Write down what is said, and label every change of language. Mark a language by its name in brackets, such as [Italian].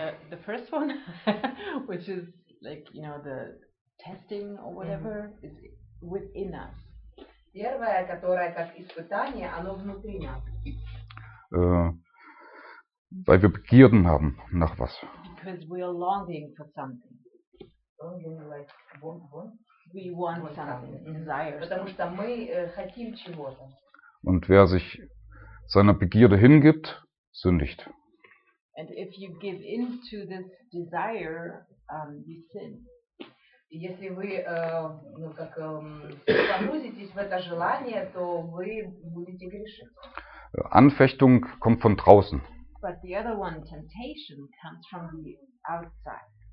[English] The first one, which is like, you know, the testing or whatever, is within us. [Russian] Первое, которое как испытание, оно внутри нас. [German] Weil wir Begierden haben nach was. [English] Because we are longing for something. Longing, like want. We want something, desire. [Russian] Потому что мы хотим чего-то. [German] Und wer sich seiner Begierde hingibt, sündigt. [English] And if you give in to this desire, you sin. [Russian] Если вы, ну как, погрузитесь в это желание, то вы будете грешить. [German] Anfechtung kommt von draußen. [English] But the other one, temptation, comes from the outside.